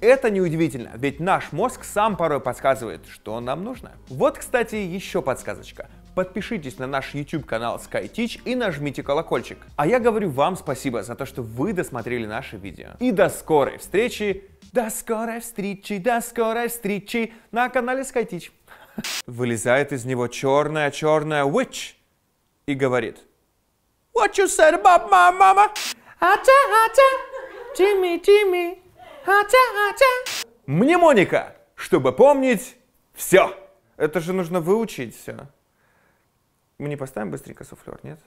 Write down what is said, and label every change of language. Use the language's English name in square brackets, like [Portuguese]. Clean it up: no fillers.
[Russian] Это неудивительно, ведь наш мозг сам порой подсказывает, что нам нужно. Вот, кстати, еще подсказочка. Подпишитесь на наш YouTube-канал SkyTeach и нажмите колокольчик. А я говорю вам спасибо за то, что вы досмотрели наше видео. И до скорой встречи! До скорой встречи на канале SkyTeach! Вылезает из него черная-черная witch и говорит: [English] What you said about my mama? Ача-ача, Джимми-Джимми, ача-ача. [Russian] Мнемоника, чтобы помнить все. Это же нужно выучить все. Мы не поставим быстренько суфлер, нет?